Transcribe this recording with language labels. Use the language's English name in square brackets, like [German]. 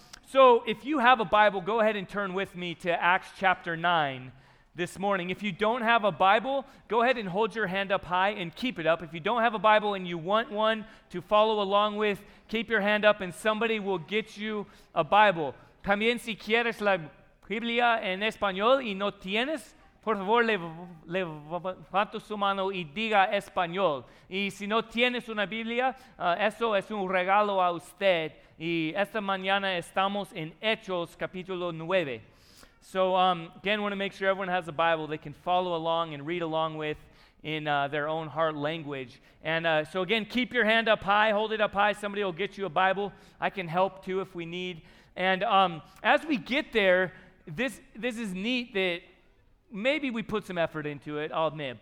[English] So if you have a Bible, go ahead and turn with me to Acts chapter 9 this morning. If you don't have a Bible, go ahead and hold your hand up high and keep it up. If you don't have a Bible and you want one to follow along with, keep your hand up and somebody will get you a Bible. [Spanish] También si quieres la Biblia en español y no tienes, por favor levanta su mano y diga español. Y si no tienes una Biblia, eso es un regalo a usted. Y esta mañana estamos en Hechos capítulo 9. [English] So again, want to make sure everyone has a Bible they can follow along and read along with in their own heart language. And so again, keep your hand up high, hold it up high. Somebody will get you a Bible. I can help too if we need. And as we get there, this is neat that maybe we put some effort into it, I'll admit.